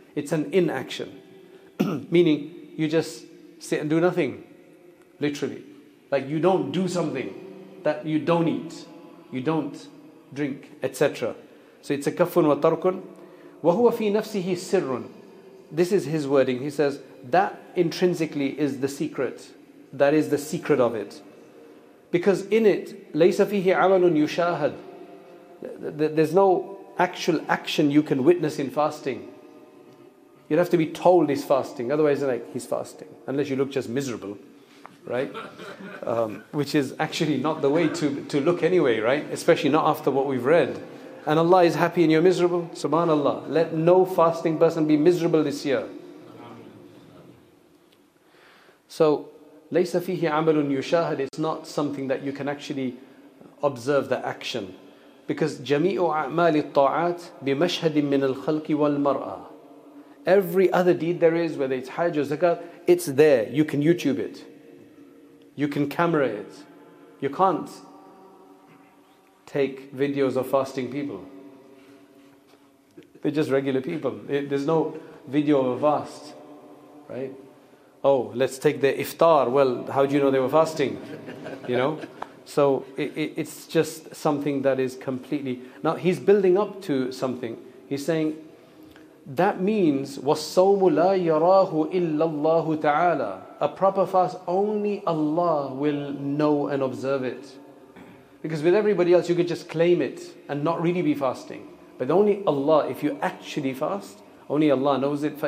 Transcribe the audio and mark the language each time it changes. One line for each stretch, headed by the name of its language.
English: It's an inaction. Meaning, you just sit and do nothing. Literally. Like, you don't do something that you don't eat, you don't drink, etc. So it's a kafun wa tarkun.
Arabic: وَهُوَ فِي نَفْسِهِ سِرٌ.
English: This is his wording. He says, that intrinsically is the secret. That is the secret of it. Because in it,
Arabic: لَيْسَ فِيهِ عَمَلٌ يُشَاهَدٌ.
English: There's no actual action you can witness in fasting. You'd have to be told he's fasting. Otherwise, like, he's fasting. Unless you look just miserable, right? Which is actually not the way to look anyway, right? Especially not after what we've read. And Allah is happy and you're miserable. Subhanallah. Let no fasting person be miserable this year.
Arabic: So, لَيْسَ فِيهِ عَمَلٌ يُشَاهَدٌ.
English: It's not something that you can actually observe the action.
Arabic: Because جَمِيعُ أَعْمَالِ الطَّاعَاتِ بِمَشْهَدٍ مِّنَ الْخَلْقِ وَالْمَرْأَةِ.
English: Every other deed there is, whether it's Hajj or Zakat, it's there. You can YouTube it. You can camera it. You can't take videos of fasting people. They're just regular people. There's no video of a fast, right? Oh, let's take the iftar. Well, how do you know they were fasting? You know? So it's just something that is completely... Now, he's building up to something. He's saying, that means,
Arabic: وَالصَّوْمُ لَا يَرَاهُ إِلَّا اللَّهُ تَعَالَى.
English: A proper fast, only Allah will know and observe it. Because with everybody else, you could just claim it and not really be fasting. But only Allah, if you actually fast, only Allah knows it.